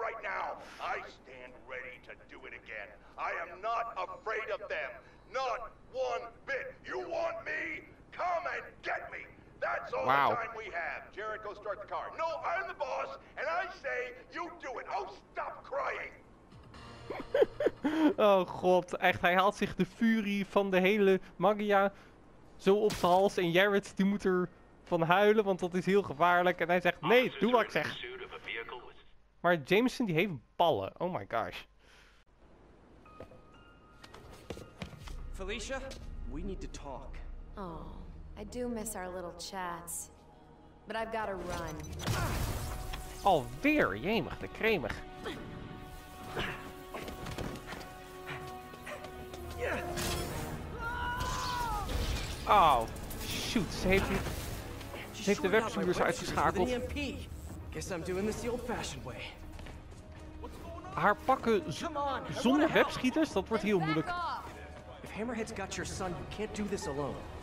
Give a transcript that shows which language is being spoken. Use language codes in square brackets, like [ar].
[en] right now, I stand ready to do it again. I am not afraid of them. Not one bit. You want me? Come and get me. That's all wow. The time we have. Jared, go start the car. No, I'm the boss, and I say you do it. Oh, stop crying. [nl] Oh god, echt, hij haalt zich de furie van de hele Magia zo op zijn hals en Jared die moet er van huilen, want dat is heel gevaarlijk. En hij zegt, nee, doe wat ik zeg. Maar Jameson die heeft ballen, [en] oh my gosh. Felicia, we need to talk. Oh, I do miss our little chats. But I've gotta run. [nl] Alweer, jemig, de kremig. [en] Oh, shoot. [nl] Ze heeft de webshooters uitgeschakeld. [en] Guess I'm doing this the old-fashioned way. [nl] Haar pakken zonder webschieters, dat wordt heel moeilijk. [en] If Hammerhead's got your son, you can't do this alone.